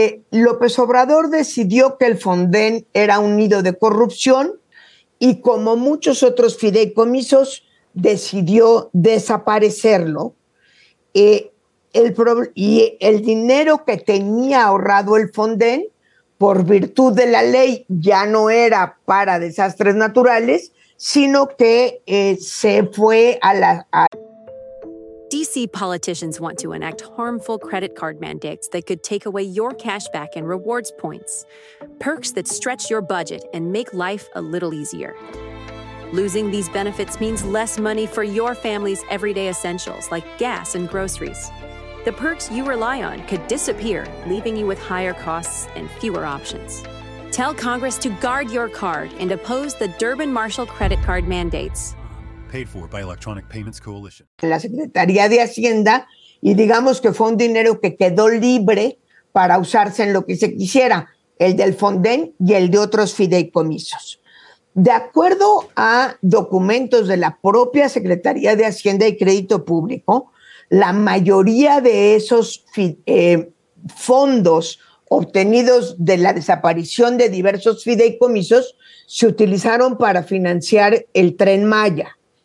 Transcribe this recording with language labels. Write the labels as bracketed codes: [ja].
[es] López Obrador decidió que el Fonden era un nido de corrupción y, como muchos otros fideicomisos, decidió desaparecerlo. Y el dinero que tenía ahorrado el Fonden, por virtud de la ley, ya no era para desastres naturales, sino que se fue a la... [en] DC politicians want to enact harmful credit card mandates that could take away your cash back and rewards points. Perks that stretch your budget and make life a little easier. Losing these benefits means less money for your family's everyday essentials like gas and groceries. The perks you rely on could disappear, leaving you with higher costs and fewer options. Tell Congress to guard your card and oppose the Durbin-Marshall credit card mandates. Paid for by Electronic Payments Coalition. [es] La Secretaría de Hacienda, y digamos que fue un dinero que quedó libre para usarse en lo que se quisiera, el del Fonden y el de otros fideicomisos. De acuerdo a documentos de la propia Secretaría de Hacienda y Crédito Público, la mayoría de esos fondos obtenidos de la desaparición de diversos fideicomisos se utilizaron para financiar el Tren Maya.